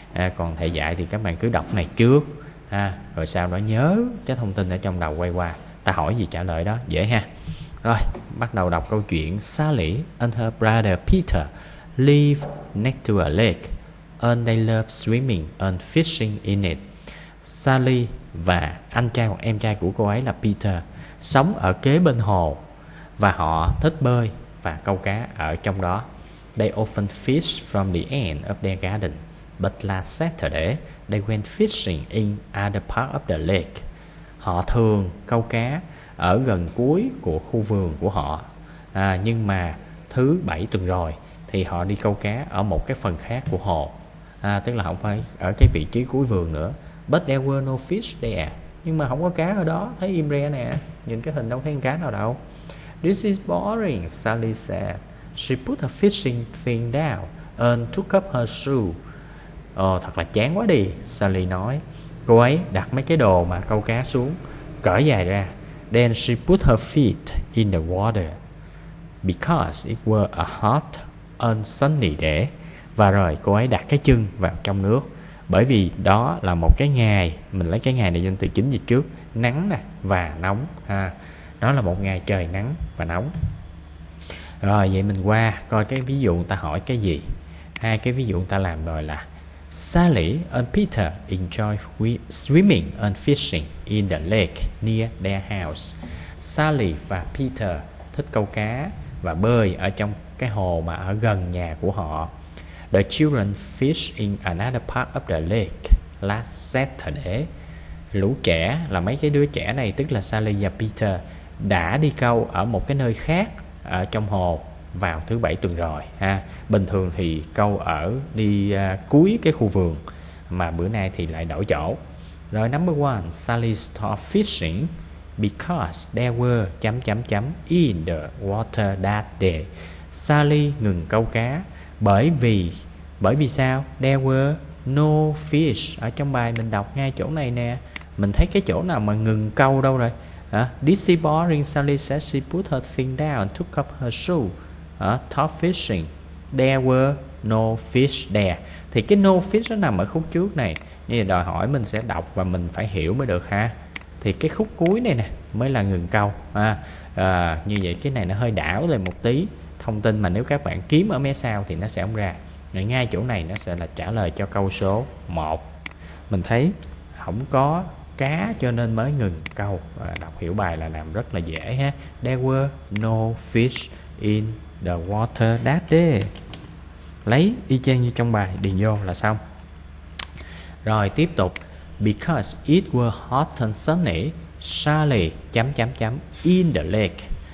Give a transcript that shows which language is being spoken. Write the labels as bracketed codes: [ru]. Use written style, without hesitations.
[vi] Còn thầy dạy thì các bạn cứ đọc này trước ha, rồi sau đó nhớ cái thông tin ở trong đầu, quay qua ta hỏi gì trả lời đó, dễ ha. Rồi bắt đầu đọc câu chuyện. [en] Sally and her brother Peter live next to a lake and they love swimming and fishing in it. [vi] Sally và anh trai hoặc em trai của cô ấy là Peter sống ở kế bên hồ và họ thích bơi và câu cá ở trong đó. [en] They often fish from the end of their garden, but last Saturday they went fishing in other part of the lake. [vi] Họ thường câu cá ở gần cuối của khu vườn của họ, nhưng mà thứ bảy tuần rồi thì họ đi câu cá ở một cái phần khác của hồ, tức là không phải ở cái vị trí cuối vườn nữa. [en] But there were no fish there. [vi] Nhưng mà không có cá ở đó. Thấy im re nè, nhìn cái hình đâu thấy con cá nào đâu. [en] This is boring, Sally said. She put her fishing thing down and took up her shoe. [vi] Thật là chán quá đi, Sally nói. Cô ấy đặt mấy cái đồ mà câu cá xuống, cởi giày ra. [en] Then she put her feet in the water because it was a hot and sunny day. [vi] Và rồi cô ấy đặt cái chân vào trong nước, bởi vì đó là một cái ngày, mình lấy cái ngày này danh từ chính dịch trước, nắng nè và nóng ha. Đó là một ngày trời nắng và nóng. Rồi vậy mình qua coi cái ví dụ người ta hỏi cái gì. Hai cái ví dụ người ta làm rồi là [en] Sally and Peter enjoy swimming and fishing in the lake near their house. [vi] Sally và Peter thích câu cá và bơi ở trong cái hồ mà ở gần nhà của họ. [en] The children fish in another part of the lake last Saturday. [vi] Lũ trẻ là mấy cái đứa trẻ này, tức là Sally và Peter, đã đi câu ở một cái nơi khác ở trong hồ vào thứ bảy tuần rồi ha. Bình thường thì câu ở đi cuối cái khu vườn, mà bữa nay thì lại đổi chỗ. [en] Rồi number one, Sally stopped fishing because there were in the water that day. [vi] Sally ngừng câu cá bởi vì sao? [en] There were no fish. [vi] Ở trong bài mình đọc ngay chỗ này nè, mình thấy cái chỗ nào mà ngừng câu đâu rồi hả? [en] This is boring, Sally said. She put her thing down and took up her shoe. Top fishing. There were no fish there. [vi] Thì cái no fish nó nằm ở khúc trước này, như đòi hỏi mình sẽ đọc và mình phải hiểu mới được ha. Thì cái khúc cuối này nè mới là ngừng câu ha. Như vậy cái này nó hơi đảo lại một tí thông tin, mà nếu các bạn kiếm ở mé sau thì nó sẽ không ra. Rồi ngay chỗ này nó sẽ là trả lời cho câu số 1. Mình thấy không có cá cho nên mới ngừng câu. Đọc hiểu bài là làm rất là dễ ha. [en] There were no fish in the water that day. [vi] Lấy y chang như trong bài, điền vô là xong. Rồi tiếp tục. [en] Because it was hot and sunny, Sally in the lake.